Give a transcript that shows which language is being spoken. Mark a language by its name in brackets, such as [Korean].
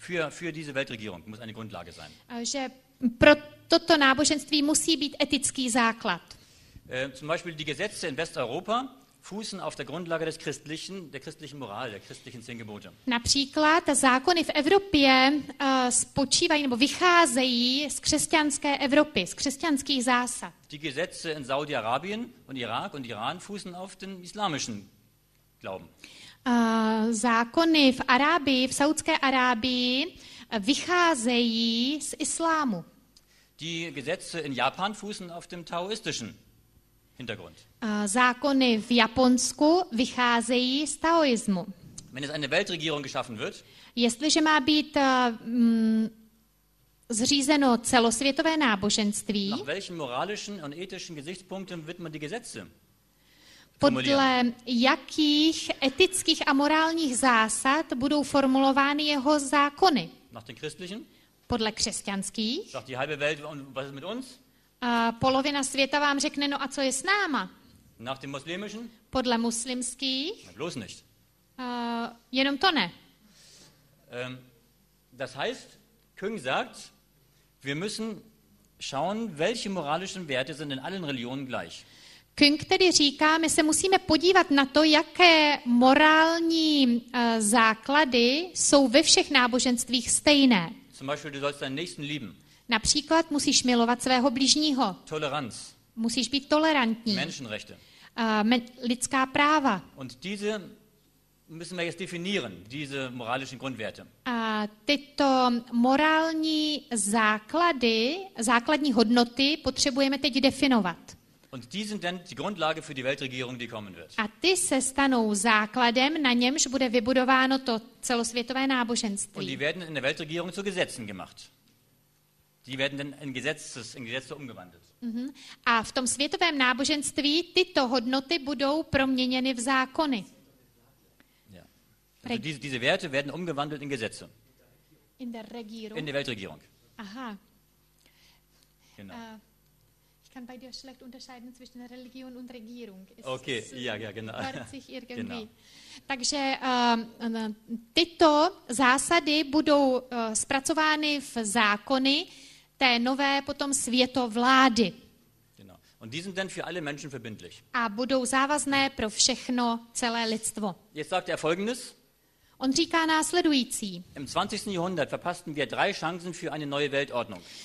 [German] Für diese Weltregierung muss eine Grundlage sein. [Czech] Že pro toto náboženství musí být etický základ. [German] Zum Beispiel die Gesetze in Westeuropa fußen auf der Grundlage des christlichen, der christlichen Moral, der christlichen zehn Gebote. [Czech] Například zákony v Evropě spočívají nebo vycházejí z křesťanské Evropy, z křesťanských zásad. [German] Die Gesetze in Saudi-Arabien und Irak und Iran fußen auf den islamischen Glauben. [Czech] Zákony v Arábii, v Saudské Arábii vycházejí z islámu. [German] Die Gesetze in Japan fußen auf dem taoistischen Hintergrund. [Czech] Zákony v Japonsku vycházejí z taoismu. [German] Wenn es eine Weltregierung geschaffen wird, [Czech] jestliže má být zřízeno celosvětové náboženství, [German] nach welchen moralischen und ethischen Gesichtspunkten wird man die Gesetze [Czech] podle jakých etických a morálních zásad budou formulovány jeho zákony? [German] Nach den christlichen? [Czech] Podle křesťanských? [German] Sagt die halbe Welt, und was ist mit uns? [Czech] A polovina světa vám řekne, no a co je s náma? [German] Nach den muslimischen? [Czech] Podle muslimských? [German] Na bloß nicht. [Czech] Jenom to ne. [German] Das heißt, König sagt, wir müssen schauen, welche moralischen Werte sind in allen Religionen gleich. [Czech] Küng tedy říká, my se musíme podívat na to, jaké morální základy jsou ve všech náboženstvích stejné. [German] Zum Beispiel, du sollst deinen Nächsten lieben. [Czech] Například musíš milovat svého bližního. [German] Toleranz. [Czech] Musíš být tolerantní. [German] Menschenrechte. [Czech] Lidská práva. [German] Und diese müssen wir jetzt definieren, diese moralischen Grundwerte. [Czech] A tyto morální základy, základní hodnoty potřebujeme teď definovat. [German] Und die sind dann die Grundlage für die Weltregierung, die kommen wird. [Czech] A ty se stanou základem, na němž bude vybudováno to celosvětové náboženství. [German] Und die werden in der Weltregierung zu Gesetzen gemacht. Die werden dann in Gesetze umgewandelt. Mm-hmm. [Czech] A v tom světovém náboženství tyto hodnoty budou proměněny v zákony. [German] Ja. Also diese Werte werden umgewandelt in Gesetze. In der Regierung. In der Weltregierung. Aha. Genau. Kann bei dir schlecht unterscheiden zwischen Religion und Regierung. Ist okay, ja, genau. Sich irgendwie. Genau. [Czech] Takže tyto zásady budou zpracovány v zákony té nové potom světovlády. [German] Genau. Und die sind dann für alle Menschen verbindlich. [Czech] A budou závazné pro všechno celé lidstvo. [German] Jetzt sagt er folgendes. [Czech] On říká následující. [German] Im 20. Jahrhundert verpassten wir drei Chancen für eine neue Weltordnung.